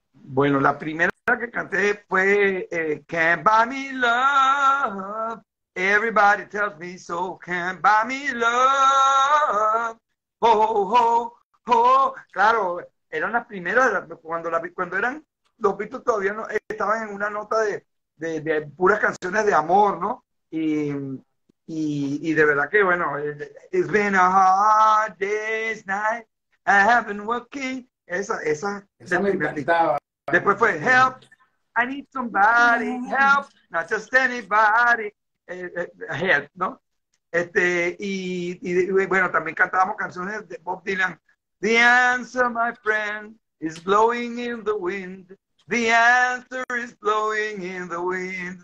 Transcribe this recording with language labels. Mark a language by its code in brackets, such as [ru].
[es] Bueno, la primera que canté fue Can't Buy Me Love. [en] Everybody tells me so. Can't Buy Me Love. Oh, oh, oh. [es] Oh, claro, eran las primeras, cuando eran los Beatles todavía no estaban en una nota de puras canciones de amor, ¿no? Y de verdad que, bueno, [en] it's been a hard day's night, I have been working [es] Esa Esa del me primer disco. encantaba. Después fue [en] Help, I Need Somebody, Help, Not Just Anybody, Help, ¿no? [es] Y bueno, también cantábamos canciones de Bob Dylan. [en] The answer, my friend, is blowing in the wind. The answer is blowing in the wind.